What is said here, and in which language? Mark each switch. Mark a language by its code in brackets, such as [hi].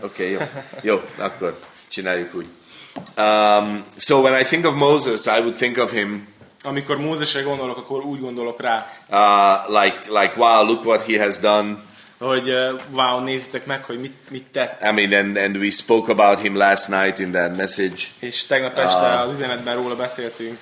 [hu] Okay, jó, akkor csináljuk úgy. [en] So when I think of Moses, I would think of him. [hu] Amikor Mózesre gondolok, akkor úgy gondolok rá. [en] Like wow, look what he has done. [hu] Hogy wow, nézzétek meg, hogy mit tett. [en] I mean, and we spoke about him last night in that message. [hu] És tegnap este az üzenetben róla beszéltünk.